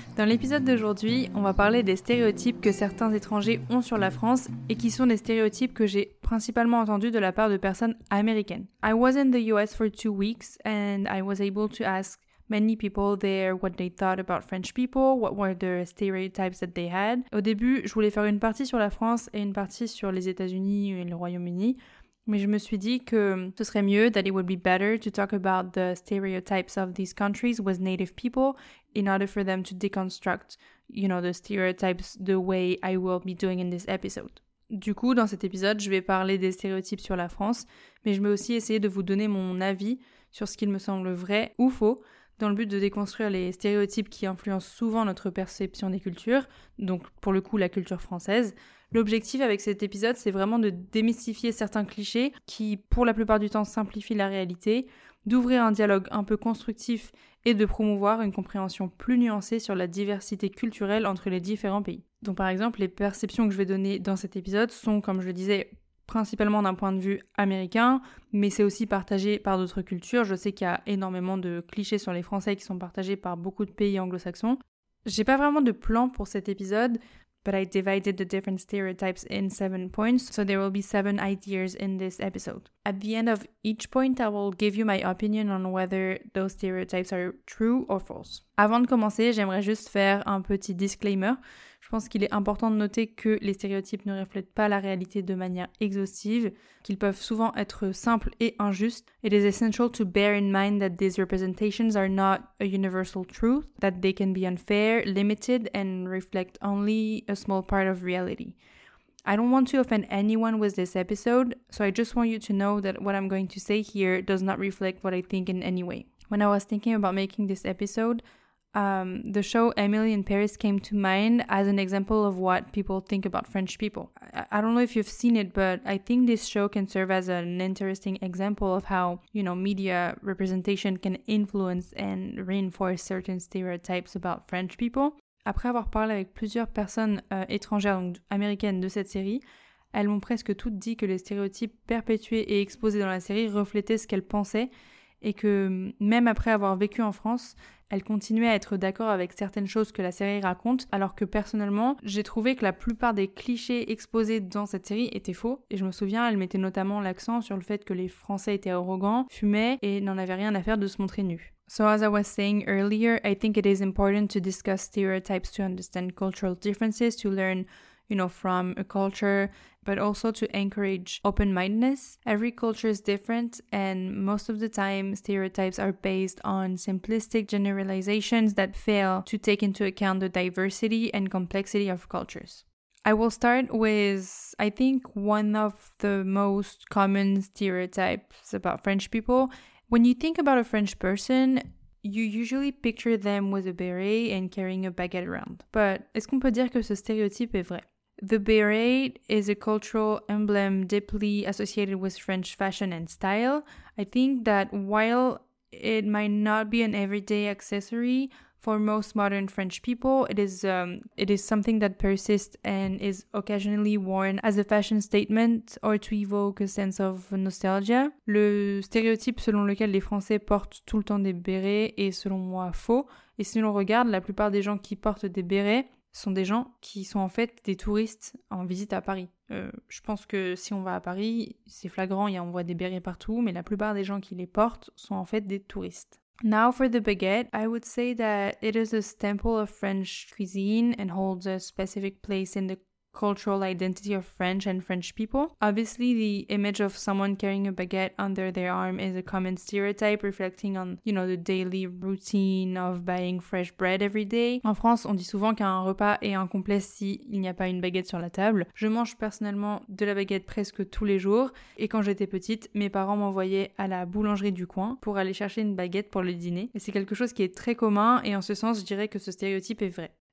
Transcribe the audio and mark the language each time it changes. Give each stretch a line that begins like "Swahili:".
French: Dans l'épisode d'aujourd'hui, on va parler des stéréotypes que certains étrangers ont sur la France et qui sont des stéréotypes que j'ai principalement entendus de la part de personnes américaines.
English: I was in the US for 2 weeks and I was able to ask many people there what they thought about French people, what were the stereotypes that they had.
French: Au début, je voulais faire une partie sur la France et une partie sur les États-Unis et le Royaume-Uni. Mais je me suis dit que ce serait mieux,
English: that it would be better to talk about the stereotypes of these countries with native people in order for them to deconstruct, you know, the stereotypes the way I will be doing in this episode.
French: Du coup, dans cet épisode, je vais parler des stéréotypes sur la France, mais je vais aussi essayer de vous donner mon avis sur ce qu'il me semble vrai ou faux, dans le but de déconstruire les stéréotypes qui influencent souvent notre perception des cultures, donc pour le coup la culture française. L'objectif avec cet épisode, c'est vraiment de démystifier certains clichés qui, pour la plupart du temps, simplifient la réalité, d'ouvrir un dialogue un peu constructif et de promouvoir une compréhension plus nuancée sur la diversité culturelle entre les différents pays. Donc par exemple, les perceptions que je vais donner dans cet épisode sont, comme je le disais, principalement d'un point de vue américain, mais c'est aussi partagé par d'autres cultures. Je sais qu'il y a énormément de clichés sur les Français qui sont partagés par beaucoup de pays anglo-saxons. J'ai pas vraiment de plan pour cet épisode,
English: but I divided the different stereotypes in 7 points, so there will be 7 ideas in this episode. At the end of each point, I will give you my opinion on whether those stereotypes are true or false.
French: Avant de commencer, j'aimerais juste faire un petit disclaimer. Je pense qu'il est important de noter que les stéréotypes ne reflètent pas la réalité de manière exhaustive, qu'ils peuvent souvent être simples et injustes.
English: It is essential to bear in mind that these representations are not a universal truth, that they can be unfair, limited, and reflect only a small part of reality. I don't want to offend anyone with this episode, so I just want you to know that what I'm going to say here does not reflect what I think in any way. When I was thinking about making this episode, the show Emily in Paris came to mind as an example of what people think about French people. I don't know if you've seen it, but I think this show can serve as an interesting example of how, you know, media representation can influence and reinforce certain stereotypes about French people.
French: Après avoir parlé avec plusieurs personnes étrangères, donc américaines, de cette série, elles m'ont presque toutes dit que les stéréotypes perpétués et exposés dans la série reflétaient ce qu'elles pensaient et que même après avoir vécu en France, elles continuaient à être d'accord avec certaines choses que la série raconte, alors que personnellement, j'ai trouvé que la plupart des clichés exposés dans cette série étaient faux. Et je me souviens, elle mettait notamment l'accent sur le fait que les Français étaient arrogants, fumaient et n'en avaient rien à faire de se montrer nus.
English: So as I was saying earlier, I think it is important to discuss stereotypes to understand cultural differences, to learn, you know, from a culture, but also to encourage open-mindedness. Every culture is different, and most of the time, stereotypes are based on simplistic generalizations that fail to take into account the diversity and complexity of cultures. I will start with, I think, one of the most common stereotypes about French people. When you think about a French person, you usually picture them with a beret and carrying a baguette around. But
French: est-ce qu'on peut dire que ce stéréotype est vrai?
English: The beret is a cultural emblem deeply associated with French fashion and style. I think that while it might not be an everyday accessory for most modern French people, it is something that persists and is occasionally worn as a fashion statement or to evoke a sense of nostalgia.
French: Le stéréotype selon lequel les Français portent tout le temps des bérets est selon moi faux. Et si l'on regarde, la plupart des gens qui portent des bérets sont des gens qui sont en fait des touristes en visite à Paris. Je pense que si on va à Paris, c'est flagrant, on voit des bérets partout, mais la plupart des gens qui les portent sont en fait des touristes.
English: Now for the baguette, I would say that it is a staple of French cuisine and holds a specific place in the cultural identity of French and French people. Obviously, the image of someone carrying a baguette under their arm is a common stereotype reflecting on, you know, the daily routine of buying fresh bread every day.
French: En France, on dit souvent qu'un repas est incomplet s'il n'y a pas une baguette sur la table. Je mange personnellement de la baguette presque tous les jours et quand j'étais petite, mes parents m'envoyaient à la boulangerie du coin pour aller chercher une baguette pour le dîner. Et c'est quelque chose qui est très commun et en ce sens, je dirais que ce stéréotype est vrai.